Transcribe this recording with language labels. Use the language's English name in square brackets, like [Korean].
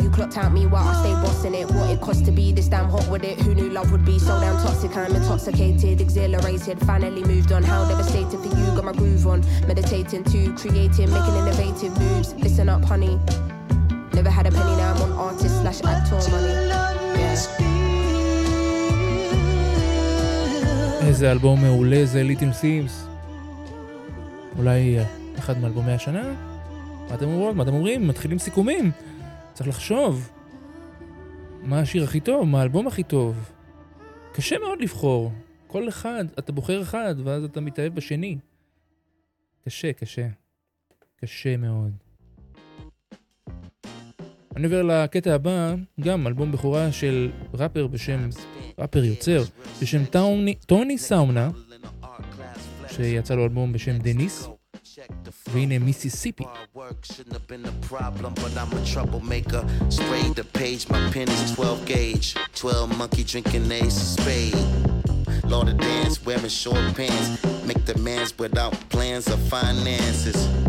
[English] You clocked out me while I stay bossing it. What it cost to be this damn hot with it. Who knew love would be so damn toxic? I'm intoxicated, exhilarated, finally moved on. How devastating for you, got my groove on. Meditating to creating, making innovative moves. Listen up, honey. Never had a penny, now I'm on artist / actor money. [Hebrew] איזה אלבום מעולה זה, ליטל סימס. אולי אחד מאלבומי השנה? מה אתם אומרות? מה אתם אומרים? מתחילים סיכומים? צריך לחשוב. מה השיר הכי טוב? מה האלבום הכי טוב? קשה מאוד לבחור. כל אחד, אתה בוחר אחד, ואז אתה מתאהב בשני. קשה, קשה. קשה מאוד. אני עובר לקטע הבא, גם אלבום בחורה של ראפר בשם, ראפר יוצר, בשם טוני סאונה, שיצא לו אלבום בשם דניס. [English] Green in Mississippi. My work shouldn't have been a problem, but I'm a troublemaker. Sprayed the page, my pen is 12 gauge. 12 monkey drinking ace of spades. law to dance, wearing short pants. Make demands without plans or finances.